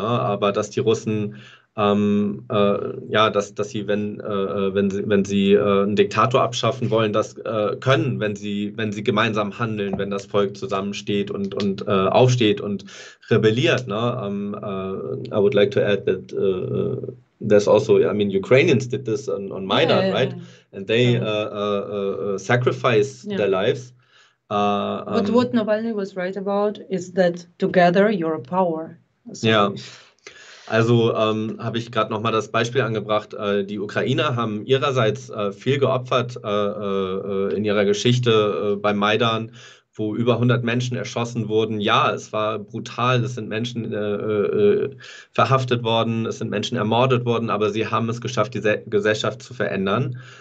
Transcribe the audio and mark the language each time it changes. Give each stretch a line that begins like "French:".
German: Aber dass die Russen, ja, dass sie, wenn sie einen Diktator abschaffen wollen, das können, wenn sie gemeinsam handeln, wenn das Volk zusammensteht und aufsteht und rebelliert, ne?
English: I would like to add that there's also, I mean, Ukrainians did this on Maidan, right? And they sacrificed their lives. But what Navalny was right about is that together you're a power.
German: Ja,
English: Sorry.
German: also habe ich gerade noch mal das Beispiel angebracht. Die Ukrainer haben ihrerseits viel geopfert in ihrer Geschichte beim Maidan, wo über 100 Menschen erschossen wurden. Ja, es war brutal. Es sind Menschen verhaftet worden, es sind Menschen ermordet worden, aber sie haben es geschafft, die Se Gesellschaft zu verändern.